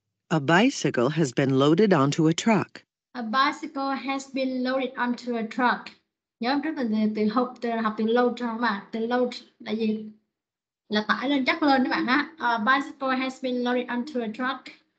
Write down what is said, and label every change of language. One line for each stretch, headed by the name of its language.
English: A bicycle has been loaded onto a truck. A bicycle has been loaded onto a truck.
Vietnamese: Nhớ không, trước mình từ học load cho các bạn. Từ load là gì? Là tải lên, chắc lên các bạn ha.
English: A bicycle has been loaded onto a truck.